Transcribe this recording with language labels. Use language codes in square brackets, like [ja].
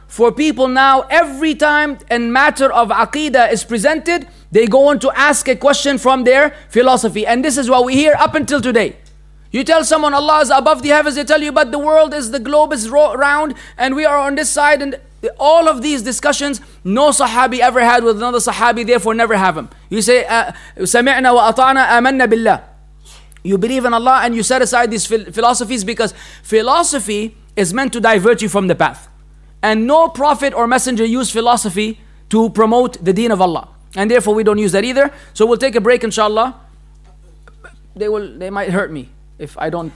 [en] for people now, every time a matter of aqidah is presented, they go on to ask a question from their philosophy. And this is what we hear up until today. You tell someone Allah is above the heavens, they tell you, but the world is, the globe is round, and we are on this side. And all of these discussions, no sahabi ever had with another sahabi, therefore never have them. [ar] You say, سَمِعْنَا وَأَطَعْنَا أَمَنَّا بِاللَّهِ. [en] You believe in Allah and you set aside these philosophies, because philosophy is meant to divert you from the path. And no prophet or messenger used philosophy to promote the deen of Allah. And therefore, we don't use that either. So we'll take a break, inshallah. They might hurt me if I don't.